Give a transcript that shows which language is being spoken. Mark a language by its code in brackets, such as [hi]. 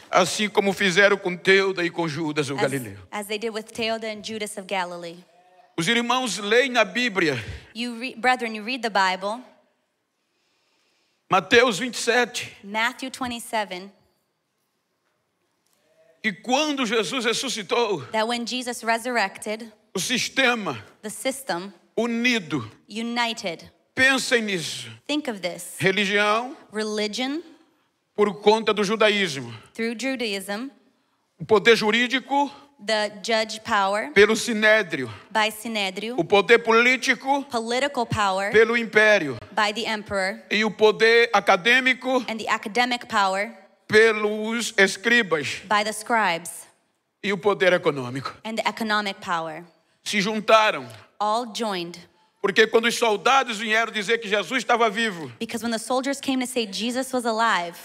[pt] Assim como fizeram com Teuda e com Judas o Galileu. [en] As they did with Teuda and Judas of Galilee. [pt] Os irmãos leem na Bíblia. [en] Brethren, you read the Bible. [pt] Mateus 27. [en] Matthew 27. [pt] E quando Jesus ressuscitou. [en] That when Jesus resurrected. [pt] O sistema. [en] The system. [pt] Unido. [en] United. [pt] Pensem nisso. [en] Think of this. [pt] Religião. [en] Religion. [pt] Por conta do judaísmo. [en] Through Judaism. [pt] O poder jurídico. [en] The judge power. [pt] Pelo sinédrio. [en] By sinédrio. [pt] O poder político. [en] Political power. [pt] Pelo império. [en] By the emperor. [pt] E o poder acadêmico. [en] And the academic power. [pt] Pelos escribas. [en] By the scribes. [pt] E o poder econômico. [en] And the economic power. [pt] Se juntaram. [en] All joined. [pt] Porque quando os soldados vieram dizer que Jesus estava vivo, [en] because when the soldiers came to say Jesus was alive,